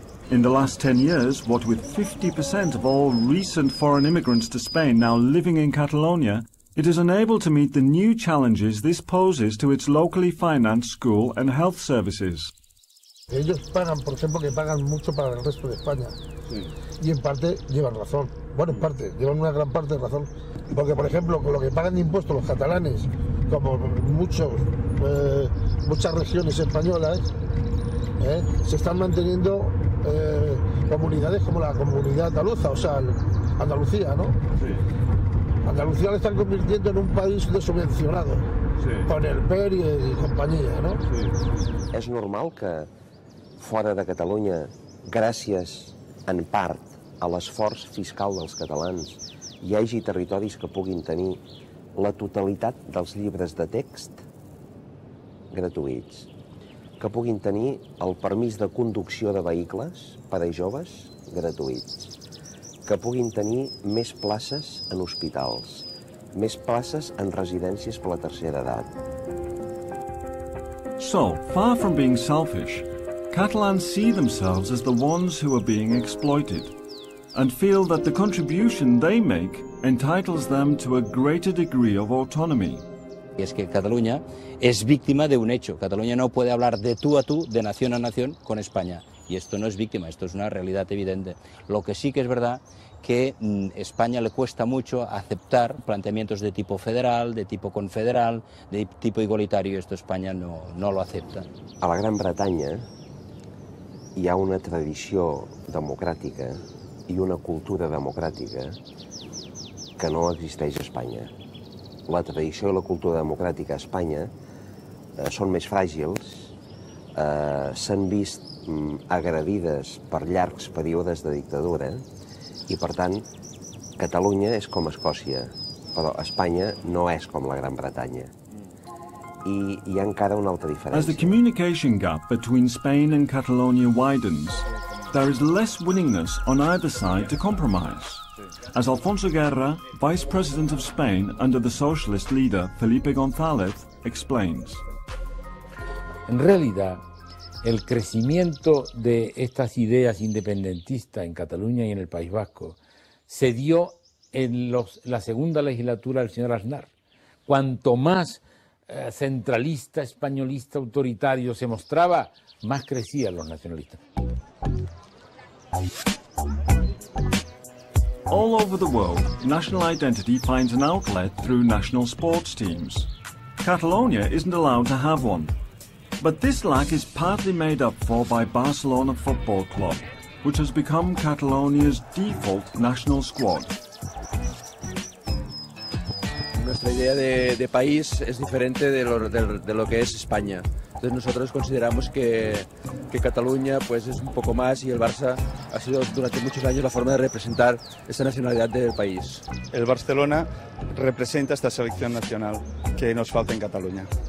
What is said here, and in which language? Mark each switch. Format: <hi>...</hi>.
<en>In the last 10 years, what with 50% of all recent foreign immigrants to Spain now living in Catalonia, it is unable to meet the new challenges this poses to its locally financed school and health services.</en> <es>Ellos pagan, por ejemplo, que pagan mucho para el resto de España. Sí. Y en parte llevan razón. Bueno, en parte, llevan una gran parte de razón. Porque, por ejemplo, con lo que pagan de impuestos los catalanes, como muchos, muchas regiones españolas, se están manteniendo comunidades como la comunidad andaluza, o sea, Andalucía, ¿no? Sí. Andalucía la están convirtiendo en un país desubvencionado, sí, con el PER y compañía, ¿no? Sí. ¿Es normal que fuera de Cataluña, gracias en parte</es> <ca>a l'esforç fiscal dels catalans, hi hagi territoris que puguin tenir la totalitat dels llibres de text gratuïts, que puguin tenir el permís de conducció de vehicles per a joves gratuïts, que puguin tenir més places en hospitals, més places en residències per la tercera edat?</ca> <en>So, far from being selfish, Catalans see themselves as the ones who are being exploited, and feel that the contribution they make entitles them to a greater degree of autonomy.</en> <es>Y es que Cataluña es víctima de un hecho. Cataluña no puede hablar de tú a tú, de nación a nación, con España. Y esto no es víctima, esto es una realidad evidente. Lo que sí que es verdad, que España le cuesta mucho aceptar planteamientos de tipo federal, de tipo confederal, de tipo igualitario, y esto España no lo acepta.</es> <ca>A la Gran Bretaña hi ha una tradició democràtica i una cultura democràtica que no existeix a Espanya. La tradició i la cultura democràtica a Espanya són més fràgils, s'han vist agredides per llargs períodes de dictadura i, per tant, Catalunya és com Escòcia, però Espanya no és com la Gran Bretanya. I hi ha encara una altra diferència.</ca> <en>As the communication gap between Spain and Catalonia widens, there is less willingness on either side to compromise, as Alfonso Guerra, vice president of Spain under the socialist leader Felipe González, explains.</en> <es>En realidad, el crecimiento de estas ideas independentistas en Cataluña y en el País Vasco se dio en la segunda legislatura del señor Aznar. Cuanto más centralista, españolista, autoritario se mostraba, más crecían los nacionalistas.</es> <en>All over the world, national identity finds an outlet through national sports teams. Catalonia isn't allowed to have one. But this lack is partly made up for by Barcelona Football Club, which has become Catalonia's default national squad.</en> <es>Nuestra idea de país es diferente de lo que es España. Entonces nosotros consideramos que Cataluña pues es un poco más y el Barça ha sido durante muchos años la forma de representar esa nacionalidad del país. El Barcelona representa esta selección nacional que nos falta en Cataluña.</es>